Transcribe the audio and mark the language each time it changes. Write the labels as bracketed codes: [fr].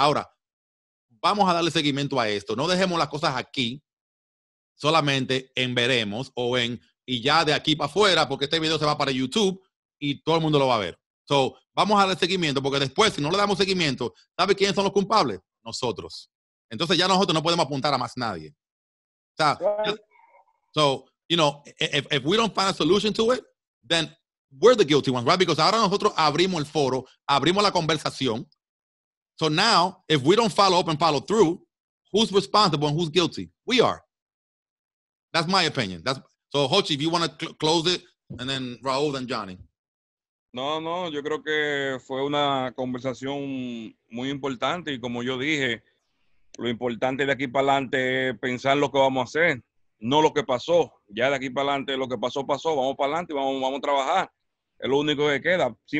[es] Ahora, vamos a darle seguimiento a esto. No dejemos las cosas aquí, solamente en veremos o en y ya de aquí para afuera, porque este video se va para YouTube y todo el mundo lo va a ver. So, vamos a darle seguimiento, porque después, si no le damos seguimiento, ¿sabe quiénes son los culpables? Nosotros. Entonces ya nosotros no podemos apuntar a más nadie. O sea, [en] so, you know, if we don't find a solution to it, then we're the guilty ones, right? [es] Because ahora nosotros abrimos el foro, abrimos la conversación. [en] So now, if we don't follow up and follow through, who's responsible and who's guilty? We are. That's my opinion. So, Hochi, if you want to close it, and then Raúl, then Johnny. [es] No, yo creo que fue una conversación muy importante. Y como yo dije, lo importante de aquí para adelante es pensar lo que vamos a hacer, no lo que pasó. Ya de aquí para adelante, lo que pasó, pasó. Vamos para adelante y vamos a trabajar. Es lo único que queda.